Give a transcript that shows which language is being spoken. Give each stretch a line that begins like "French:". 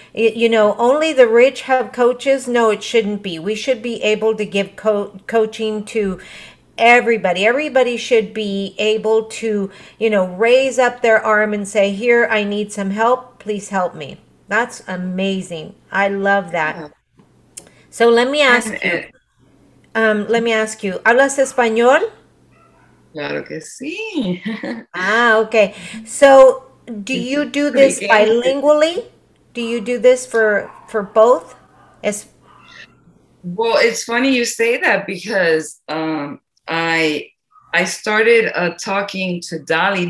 English: You know, only the rich have coaches. No, it shouldn't be. We should be able to give coaching to everybody. Everybody should be able to, you know, raise up their arm and say, here, I need some help. Please help me. That's amazing. I love that. So let me ask you,
Spanish: ¿hablas español? Claro que sí.
English: okay. So do you do this bilingually? Do you do this for both? Well, it's funny you say that because I started talking to Dolly.